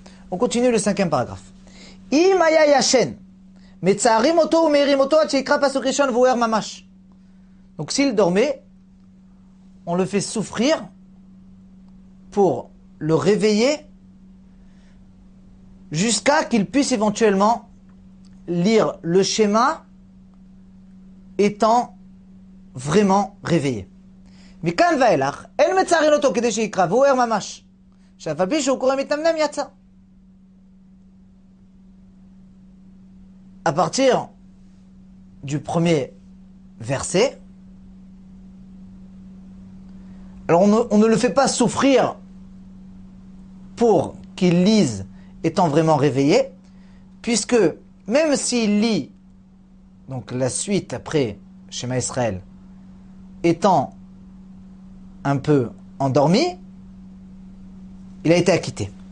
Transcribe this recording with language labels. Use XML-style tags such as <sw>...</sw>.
<fr>On continue le cinquième paragraphe. Imaya Yashen. Donc s'il dormait, on le fait souffrir pour le réveiller jusqu'à qu'il puisse éventuellement lire le schéma étant vraiment réveillé.</fr> <he>מכאן ואילך, אין מצערין אותו כדי שיקרא, והוא ער ממש. עכשיו, על פי שהוא קורא מתנמנם, יצא.</he> <fr>À partir du premier verset, alors on ne le fait pas souffrir pour qu'il lise étant vraiment réveillé, puisque même s'il lit donc la suite après Shema Israël étant un peu endormi, il a été acquitté.</fr>